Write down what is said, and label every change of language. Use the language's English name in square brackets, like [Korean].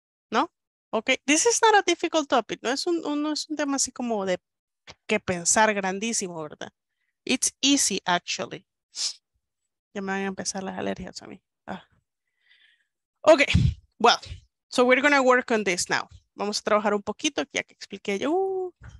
[English] ¿No? Ok, this is not a difficult topic. [Spanish] No es un tema así como de que pensar grandísimo, ¿verdad? [English] It's easy, actually. [Spanish] Ya me van a empezar las alergias a mí. Ah. [English] Ok, well, so we're going to work on this now. [Spanish] Vamos a trabajar un poquito, ya que expliqué yo.